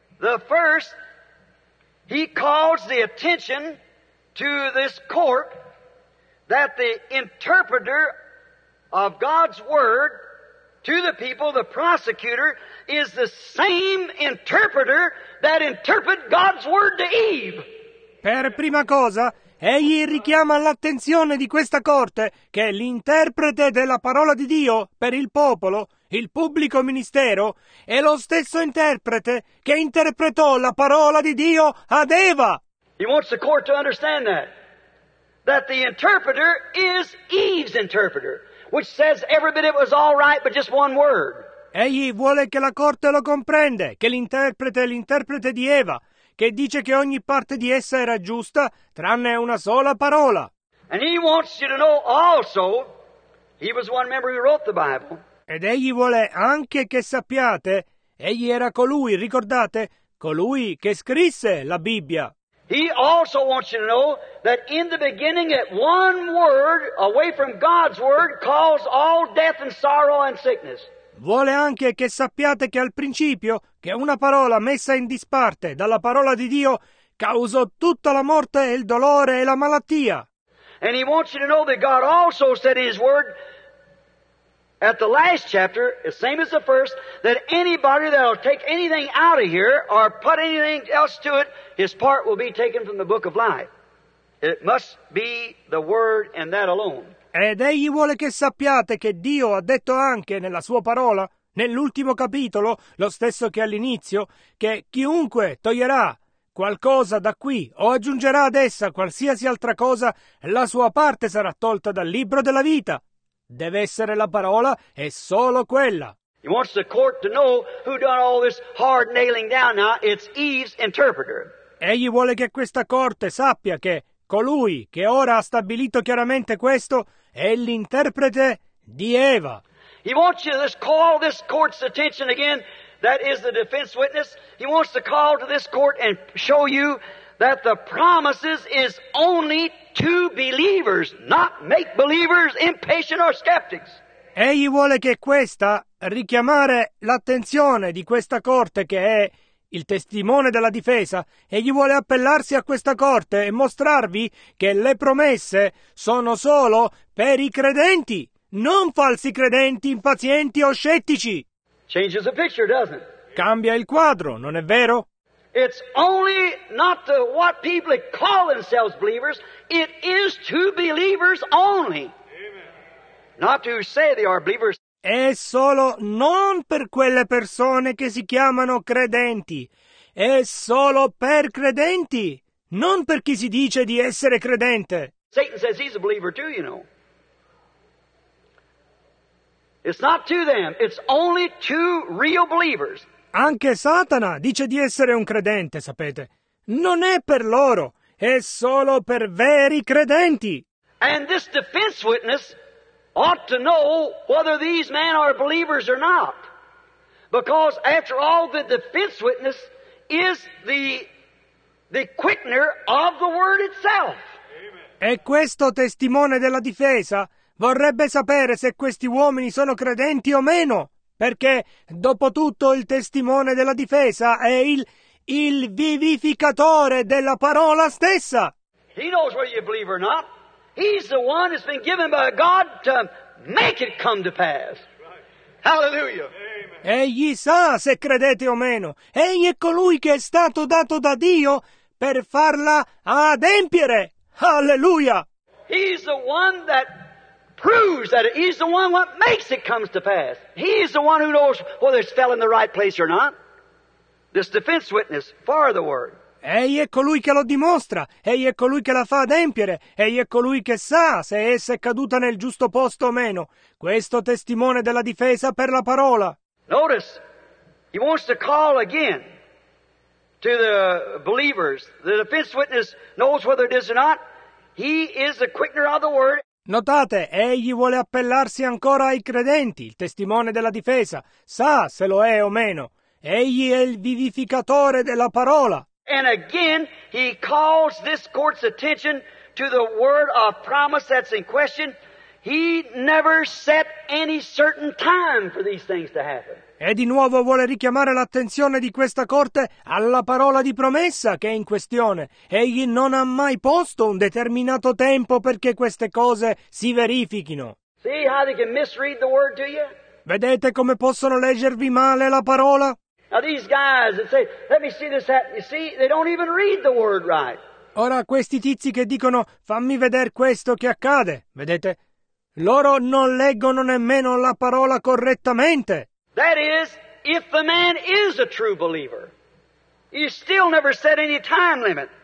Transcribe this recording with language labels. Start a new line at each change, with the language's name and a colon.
English: The first, he calls the attention to this court that the interpreter of God's word to the people, the prosecutor, is the same interpreter that interpreted God's word to Eve.
Italian: Per prima cosa, egli richiama l'attenzione di questa corte che l'interprete della parola di Dio per il popolo, il pubblico ministero, è lo stesso interprete che interpretò la parola di Dio ad Eva.
English: He wants the court to understand that the interpreter is Eve's interpreter, which says every bit it was all right, but just one word.
Italian: Egli vuole che la corte lo comprende, che l'interprete è l'interprete di Eva, che dice che ogni parte di essa era giusta, tranne una sola parola.
English: And he wants you to know also, he was one member who wrote the Bible.
Italian: Ed egli vuole anche che sappiate, egli era colui, ricordate, colui che scrisse la Bibbia.
English: He also wants you to know that in the beginning, at one word away from God's word, caused all death and sorrow and sickness.
Italian: Vuole anche che sappiate che al principio, che una parola messa in disparte dalla parola di Dio, causò tutta la morte, il dolore e la malattia.
English: And he wants you to know that God also said in his word at the last chapter, the same as the first, that anybody that will take anything out of here or put anything else to it, his part will be taken from the book of life. It must be the word and that alone.
Italian: Ed egli vuole che sappiate che Dio ha detto anche nella sua parola, nell'ultimo capitolo, lo stesso che all'inizio, che chiunque toglierà qualcosa da qui o aggiungerà ad essa qualsiasi altra cosa, la sua parte sarà tolta dal libro della vita. Deve essere la parola e solo quella.
English: He wants the court to know who done all this hard nailing down now. It's Eve's interpreter.
Italian: Egli vuole che questa corte sappia che colui che ora ha stabilito chiaramente questo è l'interprete di Eva.
English: He wants you to call this court's attention again, that is the defense witness. He wants to call to this court and show you that the promises is only to believers, not make believers impatient or skeptics.
Italian: Egli vuole che questa richiamare l'attenzione di questa corte che è il testimone della difesa, egli vuole appellarsi a questa corte e mostrarvi che le promesse sono solo per i credenti, non falsi credenti, impazienti o scettici.
English: Changes the picture, doesn't it?
Italian: Cambia il quadro, non è vero?
English: It's only not to what people call themselves believers, it is to believers only. Amen. Not to say they are believers.
Italian: È solo non per quelle persone che si chiamano credenti, è solo per credenti, non per chi si dice di essere credente.
English: Satan says he's a believer too, you know. It's not to them, it's only to real believers.
Italian: Anche Satana dice di essere un credente, sapete. Non è per loro, è solo per veri credenti.
English: And this defense witness ought to know whether these men are believers or not. Because after all, the defense witness is the quickener of the word itself.
Italian: Amen. E questo testimone della difesa vorrebbe sapere se questi uomini sono credenti o meno. Perché, dopo tutto, il testimone della difesa è il vivificatore della parola stessa.
English: He knows whether you believe or not. He's the one that's been given by God to make it come to pass. Right. Hallelujah. Amen.
Italian: Egli sa se credete o meno. Egli è colui che è stato dato da Dio per farla adempiere. Hallelujah.
English: He's the one that proves that he's the one what makes it comes to pass. He's the one who knows whether it's fell in the right place or not. This defense witness for the word.
Italian: Egli è colui che lo dimostra, egli è colui che la fa adempiere, egli è colui che sa se essa è caduta nel giusto posto o meno. Questo testimone della difesa per la parola.
English: Notice, he wants to call again to the believers. The defense witness knows whether it is or not. He is the quickener of the word.
Italian: Notate, egli vuole appellarsi ancora ai credenti, il testimone della difesa, sa se lo è o meno. Egli è il vivificatore della parola.
English: And again, he calls this court's attention to the word of promise that's in question. He never set any certain time for these things to happen.
Italian: E di nuovo vuole richiamare l'attenzione di questa corte alla parola di promessa che è in questione. Egli non ha mai posto un determinato tempo perché queste cose si verifichino.
English: See how they can misread the word to you?
Italian: Vedete come possono leggervi male la parola?
English: Now these guys that say, let me see this happen. You see, they don't even read the word right.
Italian: Ora questi tizi che dicono, fammi vedere questo che accade, vedete? Loro non leggono nemmeno la parola correttamente.
English: That is, if the man is a true believer, he still never set any time limit.